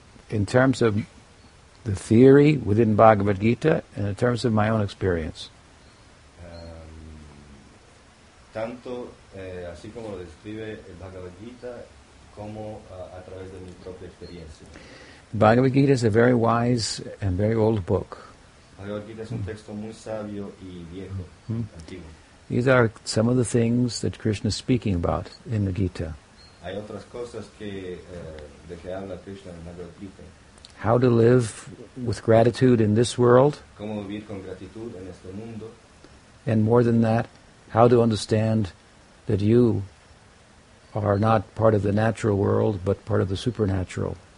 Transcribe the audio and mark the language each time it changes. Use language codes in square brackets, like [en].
[en] In terms of the theory within Bhagavad Gita and in terms of my own experience. [es] Tanto así como lo describe el Bhagavad Gita como a través de mi propia experiencia. [en] Bhagavad Gita is a very wise and very old book. [es] Bhagavad Gita es un texto muy sabio y viejo, antiguo. [en] These are some of the things that Krishna is speaking about in the Gita. [es] Hay otras cosas que de que habla Krishna en Bhagavad Gita. [en] How to live with gratitude in this world. [es] Cómo vivir con gratitud en este mundo. [en] And more than that, how to understand that you are not part of the natural world, but part of the supernatural.